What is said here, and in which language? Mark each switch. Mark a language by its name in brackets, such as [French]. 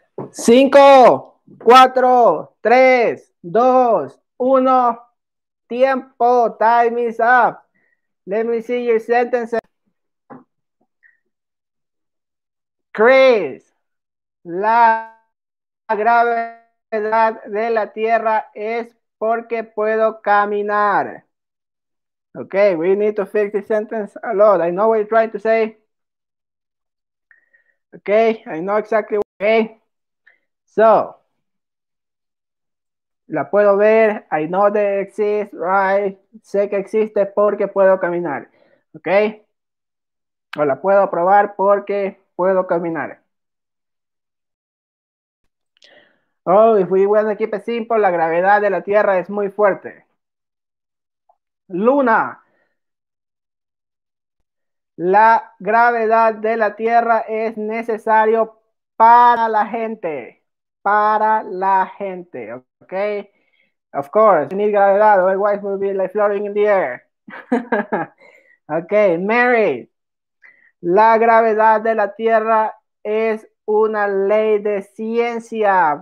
[Spanish] Cinco, cuatro, tres, dos, uno, tiempo, [English] time is up. Let me see your sentences. [Spanish] Chris, la gravedad de la Tierra es porque puedo caminar. [English] Okay, we need to fix this sentence a lot. I know what you're trying to say. Okay, I know exactly what you're saying. So, [Spanish] la puedo ver, [English] I know that it exists, right? [Spanish] Sé que existe porque puedo caminar, ¿ok? O la puedo probar porque puedo caminar. [English] Oh, if we want to keep it simple, [Spanish] la gravedad de la Tierra es muy fuerte. Luna. La gravedad de la Tierra es necesario para la gente. Para la gente, ok. [English] Of course, you need gravedad, otherwise we'll be like floating in the air. Ok, Mary. [Spanish] La gravedad de la Tierra es una ley de ciencia.